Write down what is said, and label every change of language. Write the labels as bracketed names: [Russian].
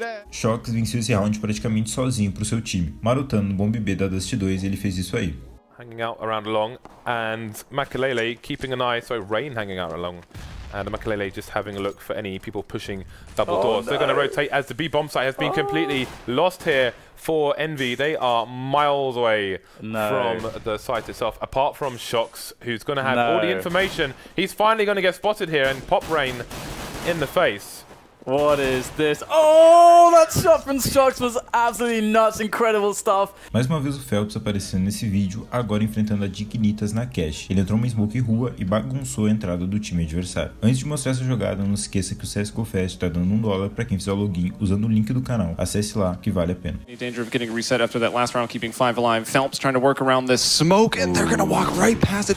[Portuguese] Shox venceu esse round praticamente sozinho pro seu time. Marotando no bomb B da Dust 2, ele fez isso aí. [English] Hanging out around long and Makalele keeping an eye, sorry, Rain hanging out along. And the Makalele just having a look for any people pushing double doors. They're gonna rotate as the B bomb site has been completely lost here for Envy. They are miles away from the site itself, apart from Shox, who's gonna have all the information. He's finally gonna get spotted here and pop Rain in the face. What is this? Oh, that shot from Shox was absolutely nuts, incredible stuff. [Portuguese] Mais uma vez o Felps aparecendo nesse vídeo, agora enfrentando a Dignitas na cache. Ele entrou uma smoke rua e bagunçou a entrada do time adversário. Antes de mostrar essa jogada, não se esqueça que o CSGO Fest está dando $1 para quem fizer o login usando o link do canal. Acesse lá, que vale a pena. [English] Danger of getting reset after that last round, keeping five alive. Felps trying to work around this smoke, and they're gonna walk right past it.